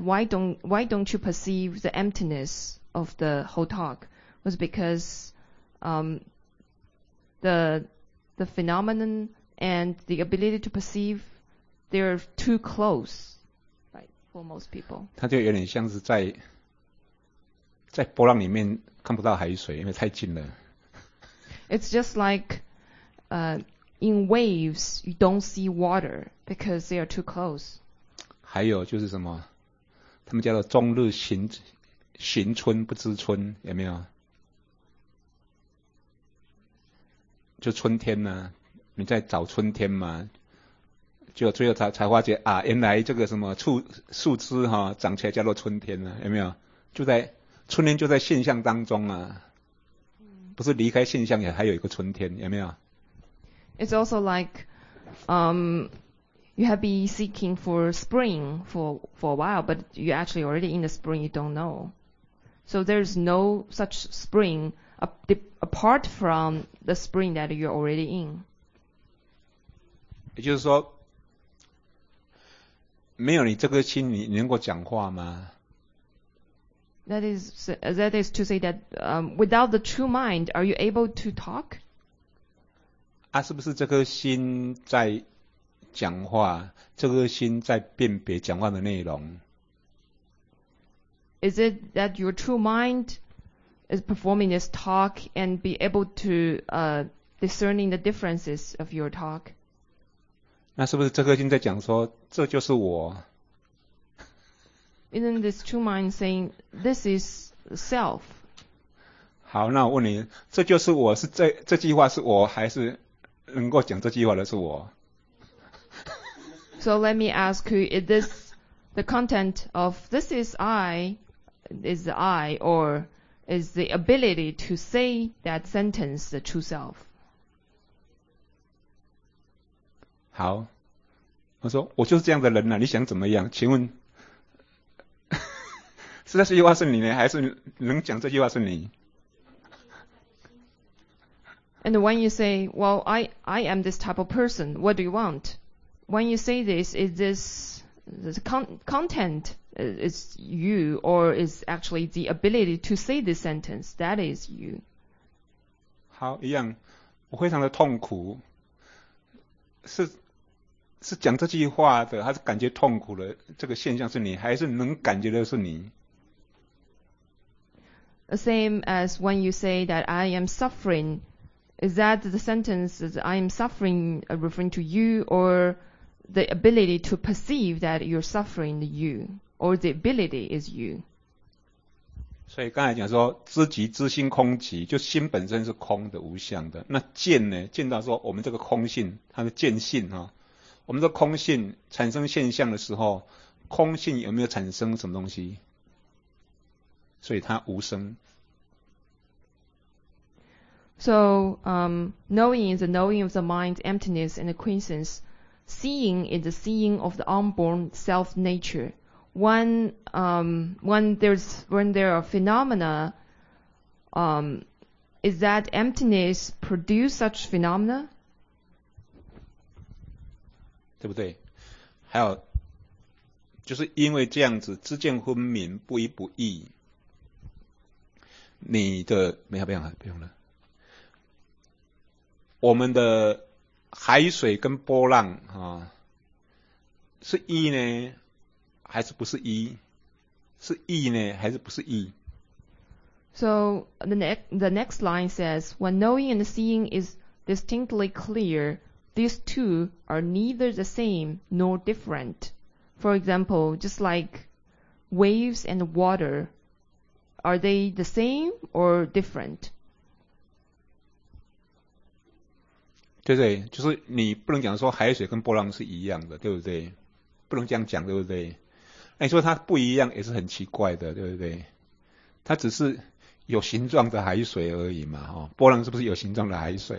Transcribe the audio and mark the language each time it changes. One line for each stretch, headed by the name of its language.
English: Why don't you perceive the emptiness of the whole talk? Was because the phenomenon and the ability to perceive, they're too close, right, for most people.
Chinese: 它就有点像是在波浪里面看不到海水，因为太近了。
English: It's just like, in waves you don't see water because they are too close.
Chinese: 还有就是什么？他们叫做终日行春不知春，有没有？就春天呢，你在找春天嘛，就最后才发觉啊，原来这个什么树枝哈、哦、长起来叫做春天了、啊，有没有？就在春天就在现象当中啊，不是离开现象也还有一个春天，有没有
English: ？It's also like, you have been seeking for spring for a while, but you actually already in the spring, you don't know. So there's no such spring. Apart from the spring that you're already in.
Chinese: 也就是说，没有你这个心，你能够讲话吗
English: ？That is to say that, without the true mind, are you able to talk?
Chinese: 啊，是不是这颗心在讲话？这颗心在辨别讲话的内容
English: ？Is it that your true mind? Is performing this talk and be able to discerning the differences of your talk.
Chinese: 那是不是这颗心在讲说这就是我
English: ？Isn't this true mind saying this is self?
Chinese: 好，那我问你，这就是我是这句话是我还是能够讲这句话的是我
English: ？So let me ask you: Is this the content of this is I? Is the I or? Is the ability to say that sentence the true self?
Chinese: 好，我说我就是这样的人呐、啊，你想怎么样？请问，是这句话是你呢，还是能讲这句话是你
English: ？And when you say, "Well, I am this type of person," what do you want? When you say this, is this content? Is you or is actually the ability to say this sentence that is you?
Chinese: 好，一样，我非常的痛苦，是讲这句话的，还是感觉痛苦的这个现象是你，还是能感觉的是你
English: ？Same as when you say that I am suffering, is that the sentence that I am suffering referring to you or the ability to perceive that you're suffering you? Or the ability is you.
Chinese: 所以刚才讲说，知己知心空即，就心本身是空的、无相的。那见呢？见到说，我们这个空性，它的见性哈、哦，我们的空性产生现象的时候，空性有没有产生什么东西？所以它无声。
English: So, knowing is the knowing of the mind, emptiness and quiescence. Seeing is the seeing of the unborn self nature. When there are phenomena, is that emptiness produce such phenomena?
Chinese: 对不对？还有，就是因为这样子，知见昏明，不依不异。你的没有，不用了，不用了。我们的海水跟波浪啊，是一呢？还是不是一？是一呢？还是不是一
English: ？So the next line says, when knowing and seeing is distinctly clear, these two are neither the same nor different. For example, just like waves and water, are they the same or different?
Chinese: 对对，就是你不能讲说海水跟波浪是一样的，对不对？不能这样讲，对不对？你说它不一样也是很奇怪的，对不对？它只是有形状的海水而已嘛，哦，波浪是不是有形状的海水？